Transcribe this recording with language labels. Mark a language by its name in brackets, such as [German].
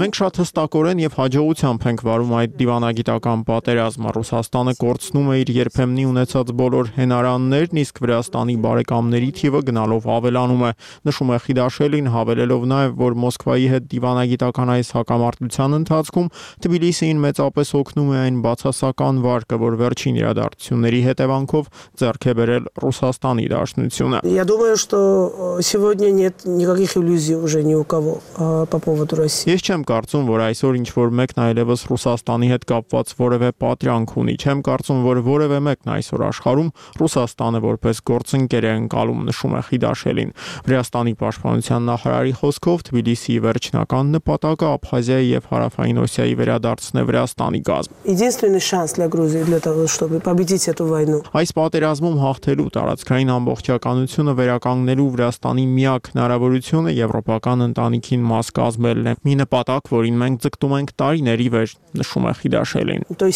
[Armenian] Մենք շատ հստակորեն եւ հաջողությամբ ենք վարում այդ դիվանագիտական պատերազմը։ Ռուսաստանը կորցնում է իր երբեմնի ունեցած բոլոր հենարաններն, իսկ Վրաստանի բարեկամների թիվը գնալով ավելանում է, նշում է Խիդաշելին, հավելելով նաեւ, որ Մոսկվայի հետ դիվանագիտական այս հակամարտության ընթացքում Թբիլիսին մեծապես օգնում է այն բացասական վարկը, որ վերջին իրադարձությունների հետևանքով ձեռք է բերել Ռուսաստանի դաշնությունը։ [Russian] Я думаю, что сегодня нет никаких иллюзий уже ни у кого по поводу России. [Armenian] Ես չեմ կարծում, որ այսօր ինչ-որ մեկն այլևս Ռուսաստանի հետ կապված որևէ պատրիանք ունի։ Չեմ կարծում, որ որևէ մեկն այսօր աշխարում Ռուսաստանը որպես գործընկեր է ընկալում, նշում է Խիդաշելին։ Վրաստանի պաշտպանության նախարարի խոսքով Թբիլիսիի վերջնական նպատակը Աբխազիայի եւ Հարավային Օսիայի վերադարձն է Վրաստանի գազմ։ [Russian] Единственный шанс для Грузии для того, чтобы победить эту войну. [Armenian] Այս պատերազմում հաղթելու տարածքային ամբողջականությունը վերականգնելու Վրաստանի միակ հնարավորությունը եվրոպական ընտանիքին մաս կազմելն է։ Մի նպատակ, որին մենք ձգտում ենք տարիների վեր, նշում է Խիդաշելին։